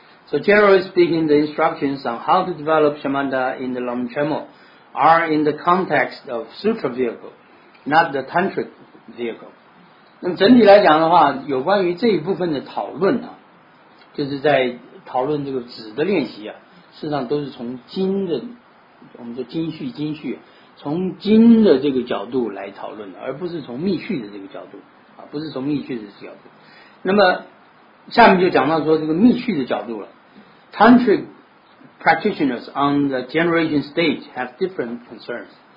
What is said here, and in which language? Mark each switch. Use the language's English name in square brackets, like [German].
[English] So generally speaking, the instructions on how to develop shamatha in the Lam Chemo are in the context of sutra vehicle, not the tantric vehicle. [Chinese] 那么整体来讲的话，有关于这一部分的讨论啊，就是在讨论这个止的练习啊，事实上都是从经的，我们说经序，从经的这个角度来讨论的，而不是从密续的这个角度啊，不是从密续的角度。那么下面就讲到说这个密续的角度了。 [English] Tantric practitioners on the generation stage have different concerns.